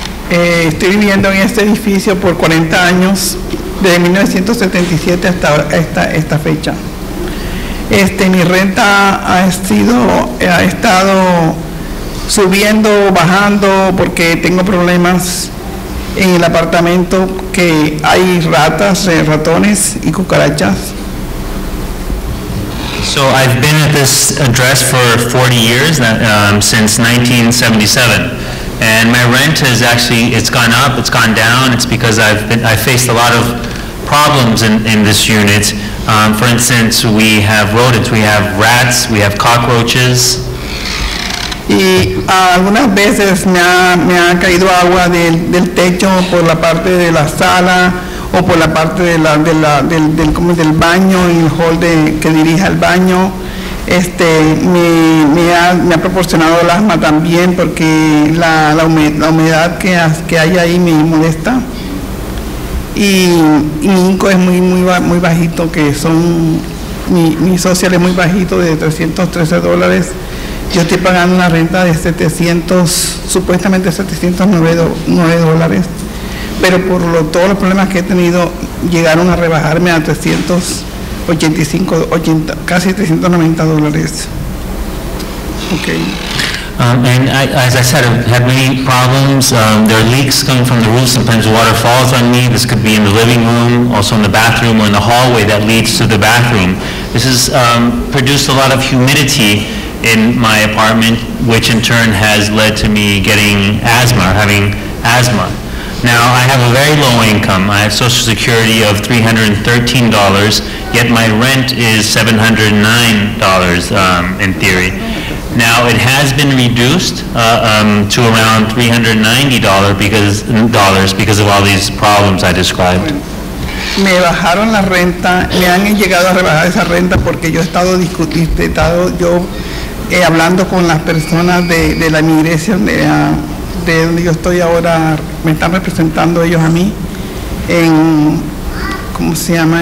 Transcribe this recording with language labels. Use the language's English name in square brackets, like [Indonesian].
[Spanish] Estoy viviendo en este edificio por 40 años, desde 1977 hasta esta fecha. Mi renta ha estado subiendo, bajando, porque tengo problemas en el apartamento que hay ratones y cucarachas. [English] So I've been at this address for 40 years, since 1977. And my rent has actually, it's gone up, it's gone down. It's because I faced a lot of problems in this unit. For instance, we have rodents, we have rats, we have cockroaches. [Spanish] Y algunas veces me ha caído agua del techo por la parte de la sala o por la parte del baño y el hall que dirija el baño. Me ha proporcionado el asma también porque la humedad que hay ahí me molesta. Y mi inco es muy, muy, muy bajito, que son, mi social es muy bajito, de $313. Yo estoy pagando una renta de $709, pero por todos los problemas que he tenido, llegaron a rebajarme a casi $390. [English] Okay. And as I said, I've had many problems. There are leaks coming from the roof. Sometimes water falls on me. This could be in the living room, also in the bathroom or in the hallway that leads to the bathroom. This has produced a lot of humidity in my apartment, which in turn has led to me having asthma. Now, I have a very low income. I have Social Security of $313, yet my rent is $709 in theory. Now, it has been reduced to around $390 because of all these problems I described. [Spanish] Me bajaron la renta, me han llegado a rebajar esa renta porque yo he estado discutiendo, he estado yo hablando con las personas de la inmigración de donde yo estoy ahora, me están representando ellos a mí en, ¿cómo se llama?